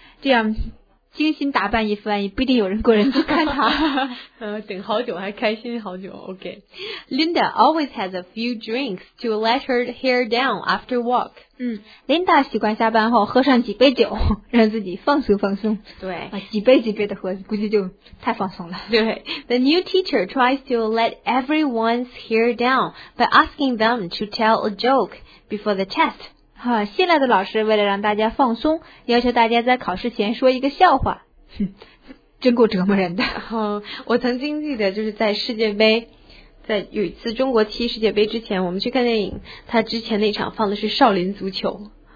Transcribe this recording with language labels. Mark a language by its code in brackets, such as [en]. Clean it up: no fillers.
[zh] 这样精心打扮一番也不一定有人过人去看他等好久还开心好久 OK [en] Linda always has a few drinks to let her hair down after work [zh] Linda 习惯下班后喝上几杯酒让自己放松放松对、几杯几杯的喝估计就太放松了 [en] 对 The new teacher tries to let everyone's hair down by asking them to tell a joke before the test [zh] 新来的老师为了让大家放松，要求大家在考试前说一个笑话，哼，真够折磨人的。我曾经记得就是在世界杯，在有一次中国踢世界杯之前，我们去看电影，他之前那场放的是少林足球。